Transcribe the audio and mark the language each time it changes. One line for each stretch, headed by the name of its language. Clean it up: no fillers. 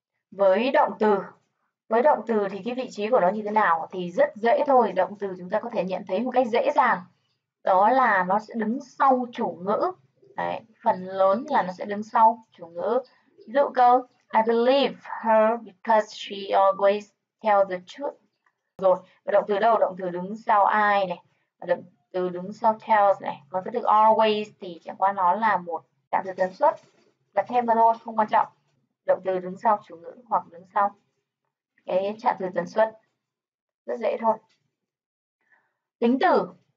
Vietnamese: Với động từ. Với động từ thì cái vị trí của nó như thế nào thì rất dễ thôi. Động từ chúng ta có thể nhận thấy một cách dễ dàng. Đó là nó sẽ đứng sau chủ ngữ. Đấy, phần lớn là nó sẽ đứng sau chủ ngữ. Ví dụ câu
English: I believe her because she always tells the truth.
Vietnamese: Rồi, và động từ đâu? Động từ đứng sau ai này? Và động từ đứng sau tells này. Còn cái từ always thì chẳng qua nó là một tạm từ tần suất, là thêm vào thôi, không quan trọng. Động từ đứng sau chủ ngữ hoặc đứng sau cái trạng từ tần suất, rất dễ thôi. Tính từ.